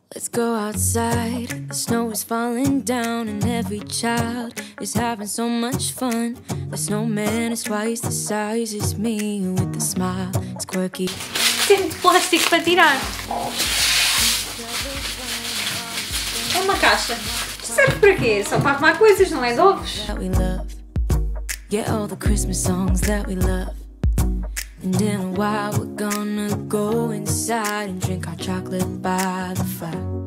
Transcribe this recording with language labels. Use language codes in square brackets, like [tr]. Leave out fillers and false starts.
[en] Go outside, the snow is falling down and every child is having so much fun. The snowman is twice the size as me with a smile, it's quirky. [pt] Tem plástico para tirar. É uma caixa. Serve para quê? Só para arrumar coisas, não é? [en] Ovos? That we love. Yeah, all the Christmas songs that we love. And in a while we're gonna go inside and drink our chocolate by the fire.